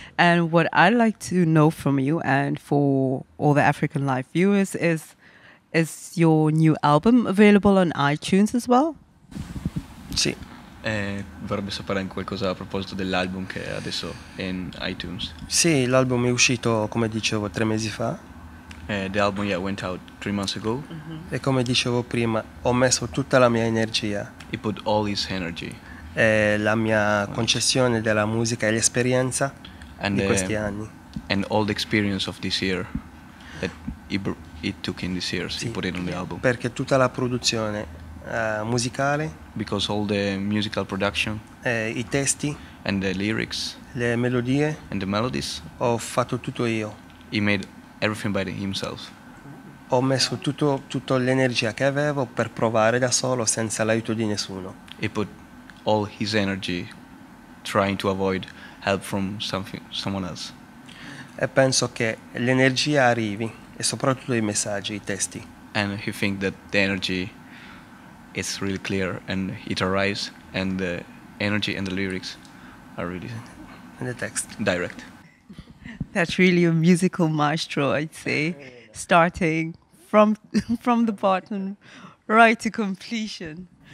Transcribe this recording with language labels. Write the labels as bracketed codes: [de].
[en] And what I'd like to know from you and for all the African Live viewers is your new album available on iTunes as well? [it] Sì. Vorrebbe sapere anche qualcosa a proposito dell'album che adesso è in iTunes. Sì, l'album è uscito, come dicevo, 3 mesi fa. [en] The album, yeah, went out 3 months ago. Mm-hmm. [it] E come dicevo prima, ho messo tutta la mia energia. [en] He put all his energy. [it] La mia concezione della musica e l'esperienza [en] and, [it] di questi anni. [en] And all the experience of this year that he took in this year, [it] sì, [en] he put it on the album. [it] Perché tutta la produzione musicale. [en] Because all the musical production, [it] I testi, [en] and the lyrics, [it] le melodie, [en] and the melodies, [it] ho fatto tutto io. [en] He made everything by himself. [it] Ho messo tutto l'energia che avevo per provare da solo senza l'aiuto di nessuno. [en] He put all his energy trying to avoid help from someone else. [it] E penso che l'energia arrivi e soprattutto i messaggi, i testi. [en] And he think that the energy. It's really clear, and it arrives, and the energy and the lyrics are really in the text direct. That's really a musical maestro, I'd say, starting from the bottom right to completion.